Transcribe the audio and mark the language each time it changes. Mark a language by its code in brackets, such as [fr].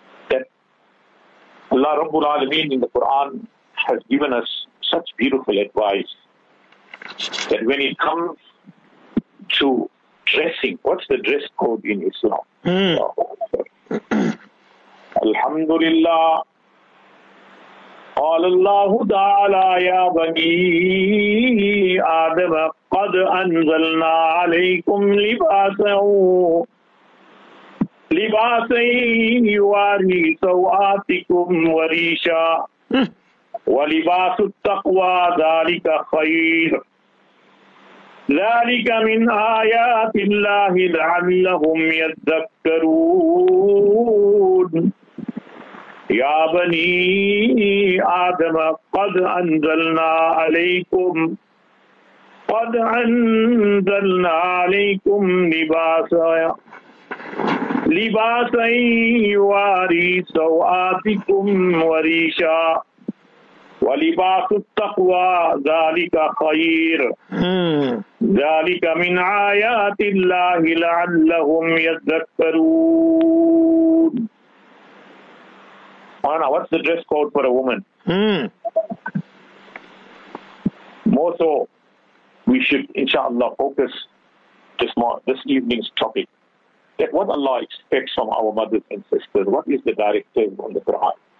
[en] That Allah Rabbul Alameen in the Quran has given us such beautiful advice that when it comes to dressing, what's the dress code in Islam? Alhamdulillah. [ar] قال الله تعالى يا بني آدم قد أنزلنا عليكم لباسا يواري سوآتكم وريشا ولباس التقوى ذلك خير ذلك من آيات الله لعلهم يذكرون Ya Bani Adam, Qad anzalna alaykum libasan yuwari sawatikum warisha wa libasu taqwa dhalika khayr dhalika min ayatillahi la'allahum yadhakkaroon. [en] Anna, what's the dress code for a woman? More so, we should, inshallah, focus this evening's topic. That what Allah expects from our mothers and sisters, what is the directive on the Quran?